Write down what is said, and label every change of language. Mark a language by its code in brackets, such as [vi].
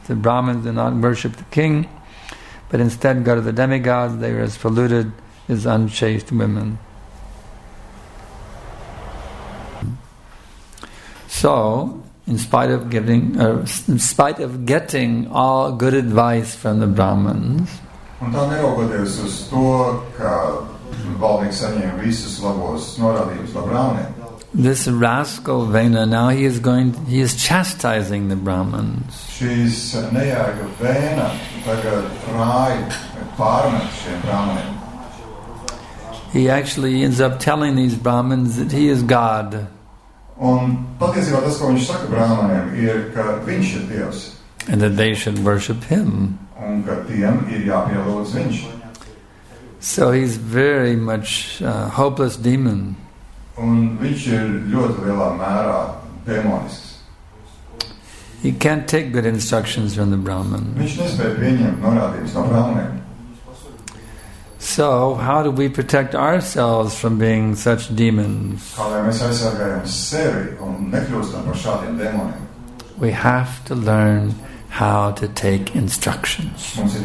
[en] The Brahmins do not worship the king, but instead go to the demigods. They are as polluted as unchaste women. So, in spite of getting all good advice from the Brahmins, [lv] un tā neraugoties uz to, ka valdnieks saņēma visus labos norādījumus no Brahmaniem, [en] this rascal Vena, now he is chastising the Brahmins. [lv] Šis nejēga Vena tagad rāja pārmet šiem Brahmaniem. [en] He actually ends up telling these Brahmins that he is God. [lv] Un patiesībā tas, ko viņš saka Brahmaniem, ir, ka viņš ir Dievs. [en] And that they should worship him. [lv] Un ka tiem ir jāpielūdz viņš. [en] So he's very much a hopeless demon. [lv] Un viņš ir ļoti lielā mērā demonisks. [en] He can't take good instructions from the Brahman. [lv] Viņš nespēj pieņemt norādījumus no Brahmaniem. [en] So, how do we protect ourselves from being such demons? We have to learn how to take instructions.